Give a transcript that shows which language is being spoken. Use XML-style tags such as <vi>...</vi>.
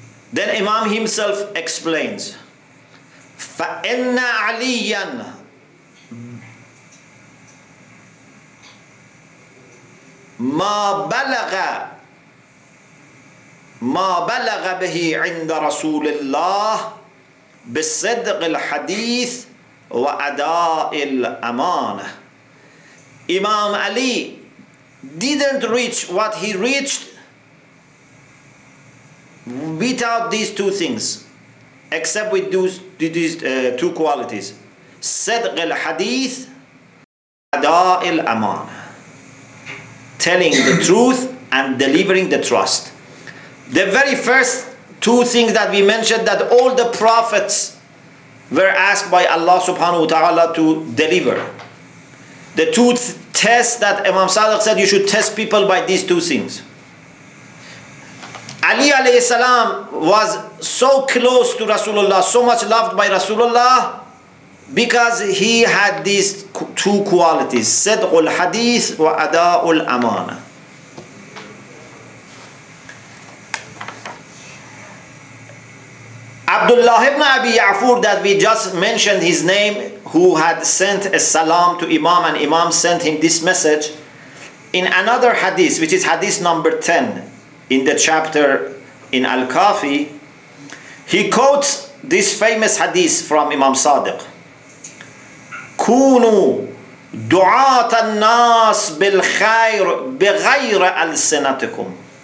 <en>Then Imam himself explains,</en> <ar>فَإِنَّ عَلِيًّا مَا بَلَغَ بِهِ عِنْدَ رَسُولِ اللَّهِ بِالصِّدْقِ الْحَدِيثِ وَأَدَاءِ الْأَمَانَةِ.</ar> <en>Imam Ali didn't reach what he reached without these two things, except with these two qualities.</en> <ar>صدق الحديث وأداء الأمانة.</ar> <en>Telling the truth and delivering the trust. The very first two things that we mentioned, that all the prophets were asked by Allah subhanahu wa ta'ala to deliver. The two tests that Imam Sadiq said, you should test people by these two things. Ali alayhi salam was so close to Rasulullah, so much loved by Rasulullah, because he had these two qualities,</en> <ar>sidqul hadith wa ada'ul amana.</ar> <en>Abdullah ibn Abi Ya'fur, that we just mentioned his name, who had sent a salam to Imam, and Imam sent him this message, in another hadith, which is hadith number 10 in the chapter in Al-Kafi, he quotes this famous hadith from Imam Sadiq.</en> <ar>كونوا دعاة الناس بالخير بغير ألسنتكم.</ar>